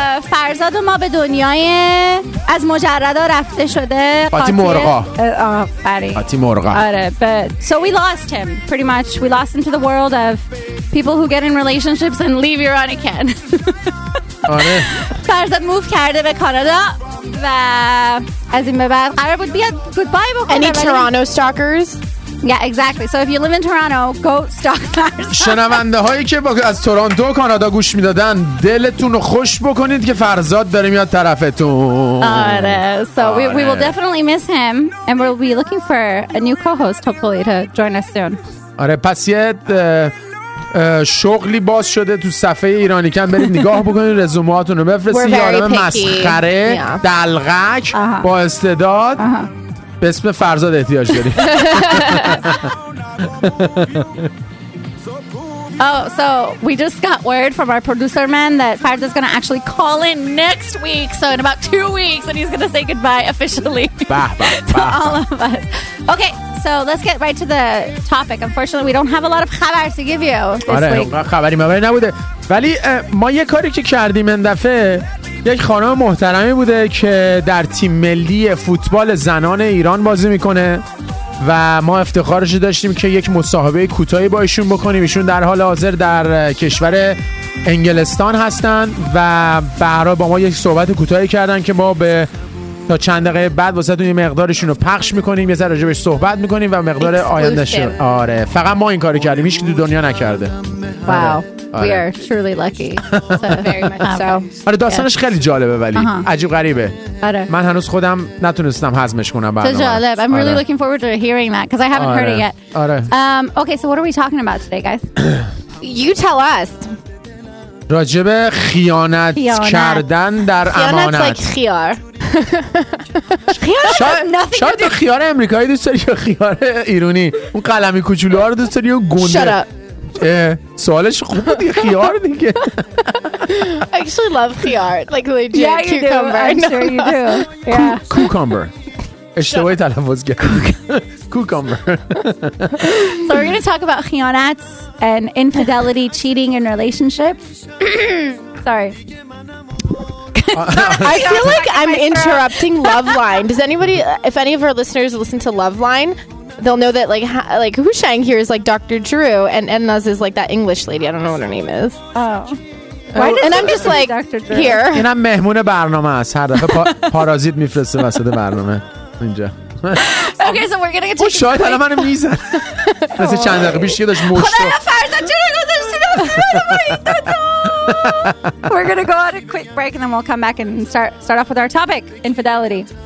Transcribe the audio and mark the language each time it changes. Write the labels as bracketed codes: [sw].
[fa] فرزاد و ما به دنیای از مجردا رفته شده قاطی مرغا. قاطی مرغا. [en] آره. So we lost him pretty much. We lost him to the world of people who get in relationships and leave Iranican. [fa] آره. فرزاد موف کرده به کانادا و از این به بعد قرار بود بیاد گودبای بکنه. [en] Any Toronto stalkers? Yeah, exactly. So if you live in Toronto, go stalk Farzad. [fa] شنونده هایی که از تورانتو کانادا گوش میدادن، دلتون رو خوش بکنید که فرزاد داره میاد طرفتون. [en] آره. So we will definitely miss him and we'll be looking for a new co-host hopefully to join us soon. [fa] آره، پس یه شغلی باز شده تو صفحه ایرانی کن، برید نگاه بکنید، رزومه هاتون رو بفرستید. یه آدم مسخره، دلغک، با استعداد. به اسم فرزاد احتیاج داری. [en] Oh, so we just got word from our producer man that Farz is going to actually call in next week. So in about 2 weeks, and he's going to say goodbye officially to all of us. Okay, so let's get right to the topic. Unfortunately, we don't have a lot of خبر to give you this [fa] آره، [en] week. [fa] آره، خبری مبری نبوده. ولی ما یه کاری که کردیم این دفعه، یک خانم محترمی بوده که در تیم ملی فوتبال زنان ایران بازی میکنه و ما افتخارش داشتیم که یک مصاحبه کوتاهی با ایشون بکنیم. ایشون در حال حاضر در کشور انگلستان هستن و برای با ما یک صحبت کوتاهی کردن که ما به تا چند دقیقه بعد واسه تون یه مقدارشون رو پخش میکنیم، یه ذره راجبش صحبت میکنیم و مقدار آیندهش. آره، فقط ما این کارو کردیم، هیچ کی تو دنیا نکرده. [en] Wow. آره. We are truly lucky. So very much so. [fa] آره، داستانش خیلی جالبه ولی عجیب غریبه. آره. من هنوز خودم نتونستم هضمش کنم. So جالب. [en] I'm really looking forward to hearing that because I haven't heard it yet. [fa] آره. [en] Okay, so what are we talking about today, guys? You tell us. [fa] راجب خیانت کردن در امانت. خیانت like خیار. خیار شاید نه. شاید خیار آمریکایی دوست داری یا خیار ایرانی؟ اون قلمی کوچولو رو دوست داری یا گنده؟ [en] Shut up. [fa] سوالش خوب بود، خیار دیگه. [en] I actually love خیار. Like legit. Yeah, you cucumber. Do. I'm sure you do. Yeah. [fa] Cucumber. اشتباهی تلفظ کرد. Cucumber. [en] So we're going to talk about خیانت and infidelity, cheating in relationships. Sorry. I feel like I'm interrupting Loveline. Does anybody, if any of our listeners listen to Loveline, they'll know that like Hushang here is like Dr. Drew and Enna's is like that English lady. I don't know what her name is. Oh. Why and I'm just like Dr. Drew? Here. And I'm [fa] مهمون برنامه است. هر دفعه پارازیت میفرسته وسط برنامه. اینجا. [en] Okay, so we're going to get to. [fa] الان منو میزن. پس چند دقیقه پیش یه داش مشت. خدایا فرزاد چرا گذاشتی دستم؟ [en] We're going to go on a quick break and then we'll come back and start off with our topic, infidelity.